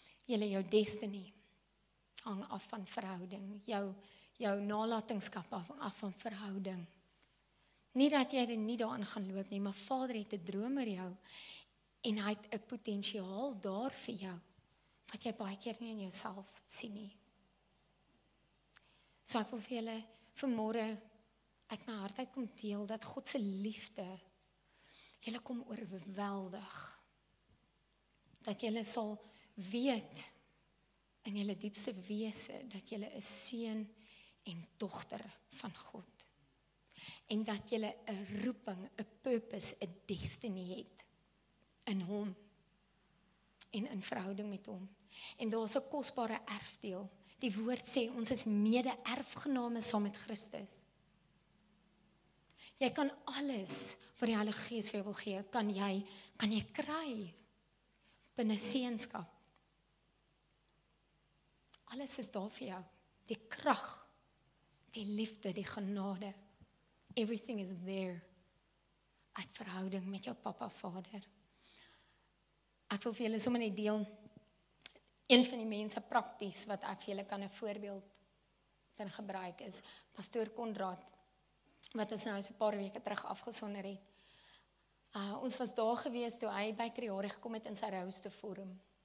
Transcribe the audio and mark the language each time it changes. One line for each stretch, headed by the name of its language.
Afrikaans: Julle, jou destiny hang af van verhouding, jou nalatingskap af van verhouding. Nie dat jy dit nie daarin gaan loop nie, maar Vader het 'n droom oor jou, en hy het 'n potensiaal daar vir jou, wat jy baie keer nie in jouself sien nie. So ek wil vir julle vanmôre uit my hart uit kom deel, dat God se liefde julle kom oorweldig. Dat julle sal weet, in julle diepste wese, dat julle 'n seun en dogter van God. En dat jy 'n roeping, 'n purpose, 'n destiny het in hom en in verhouding met hom. En daar's 'n kosbare erfdeel. Die woord sê ons is mede-erfgename saam met Christus. Jy kan alles wat die Heilige Gees vir jou wil gee, kan jy kry binne seenskap. Alles is daar vir jou. Die krag, die liefde, die genade.
English: Everything is there.
Afrikaans: Uit verhouding met jou papa, vader. Ek wil vir julle sommer net deel, een van die mense prakties wat ek vir julle kan 'n voorbeeld van gebruik is, pastoor Konrad, wat ons nou so 'n paar weke terug afgesonder het. Ons was daar gewees toe hy by Kriore gekom het in sy rouste vorm.